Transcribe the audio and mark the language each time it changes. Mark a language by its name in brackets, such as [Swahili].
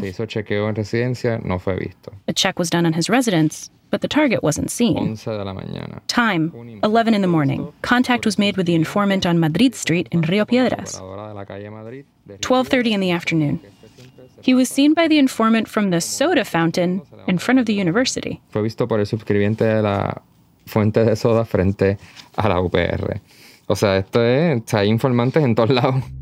[Spanish] Se hizo chequeo en residencia, no fue visto. [English] A check was done on his residence, but the target wasn't seen. [Spanish] 11 de la mañana. [English] Time, 11 in the morning. Contact was made with the informant on Madrid Street in Río Piedras. 12:30 in the afternoon. He was seen by the informant from the soda fountain in front of the university. [Spanish] Fue visto por el suscribiente de la fuente de soda frente a la UPR. O sea, esto es, hay informantes en todos lados.